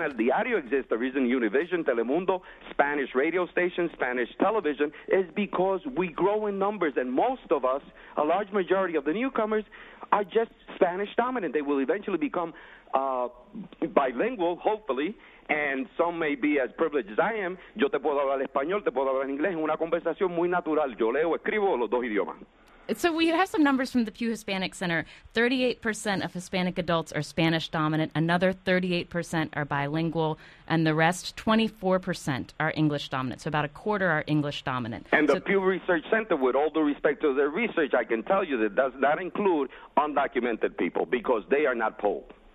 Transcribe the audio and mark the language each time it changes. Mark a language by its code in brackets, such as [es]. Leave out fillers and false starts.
[en] El Diario exists, the reason Univision, Telemundo, Spanish radio stations, Spanish television, is because we grow in numbers, and most of us, a large majority of the newcomers, are just Spanish-dominant. They will eventually become bilingual, hopefully, and some may be as privileged as I am. [es] Yo te puedo hablar español, te puedo hablar inglés, en una conversación muy natural. Yo leo, escribo los dos idiomas. [en] So we have some numbers from the Pew Hispanic Center. 38% of Hispanic adults are Spanish dominant. Another 38% are bilingual. And the rest, 24%, are English dominant. So about a quarter are English dominant. And the Pew Research Center, with all due respect to their research, I can tell you that does not include undocumented people because they are not polled.